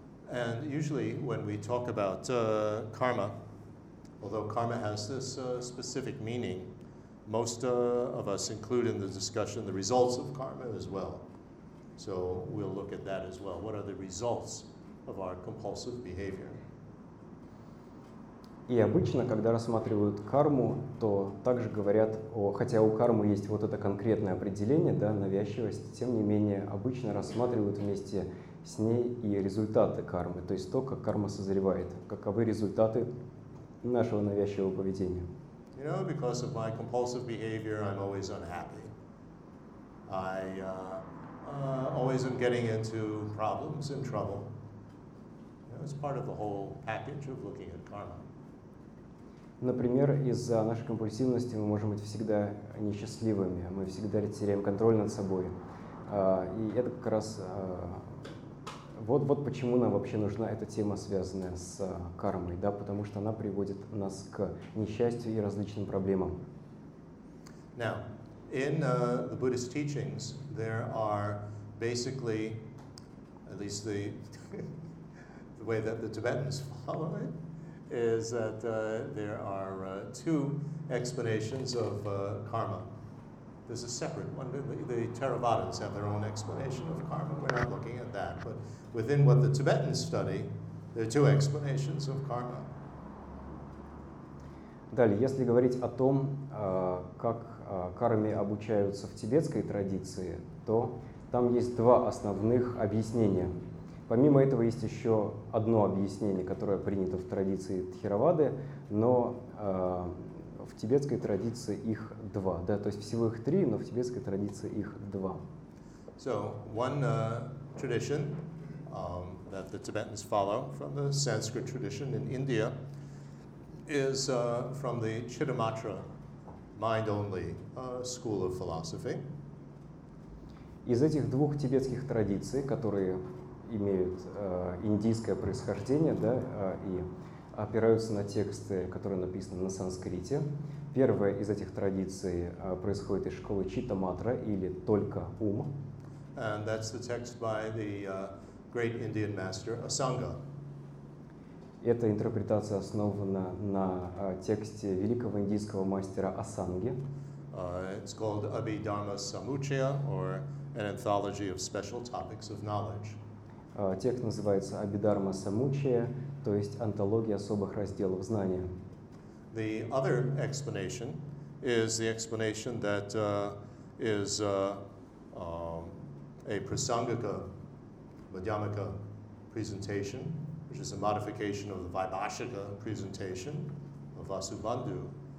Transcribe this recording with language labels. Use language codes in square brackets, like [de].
[en] And usually when we talk about karma, although karma has this specific meaning, most of us include in the discussion the results of karma as well. So we'll look at that as well. What are the results of our compulsive behavior? [ru] И обычно, когда рассматривают карму, то также говорят о... Хотя у кармы есть вот это конкретное определение, да, навязчивость, тем не менее, обычно рассматривают вместе с ней и результаты кармы, то есть то, как карма созревает, каковы результаты нашего навязчивого поведения. [en] You know, because of my compulsive behavior, I'm always unhappy. I always am getting into problems and trouble. You know, it's part of the whole package of looking at karma. [ru] Например, из-за нашей компульсивности мы можем быть всегда несчастливыми, мы всегда теряем контроль над собой. И это как раз... Вот почему нам вообще нужна эта тема, связанная с кармой, да, потому что она приводит нас к несчастью и различным проблемам. [en] Now, in the Buddhist teachings, there are basically, at least the way that the Tibetans follow it, is that there are two explanations of karma. There's a separate one. The Theravadins have their own explanation of karma. We're not looking at that. But within what the Tibetans study, there are two explanations of karma. [ru] Далее, если говорить о том, как карме обучаются в тибетской традиции, то там есть два основных объяснения. Помимо этого, есть еще одно объяснение, которое принято в традиции Тхеравады, но в тибетской традиции их два. Да? То есть всего их три, но в тибетской традиции их два. [en] So, one tradition that the Tibetans follow from the Sanskrit tradition in India is from the Chittamatra, mind-only school of philosophy. [ru] Из этих двух тибетских традиций, которые... имеют индийское происхождение, да, и опираются на тексты, которые написаны на санскрите. Первая из этих традиций происходит из школы Читта-матра, или только ум. [en] And that's the text by the great Indian master Asanga. [ru] Эта интерпретация основана на тексте великого индийского мастера Асанги. [en] It's called Abhidharma Samuchaya, or an anthology of special topics of knowledge. [ru] Текст называется «Абидарма Самучия», то есть «Антология особых разделов знания». [en] The other explanation is the explanation that is a prasangika, madhyamika presentation, which is a modification of the vaibhashika presentation of Vasubandhu.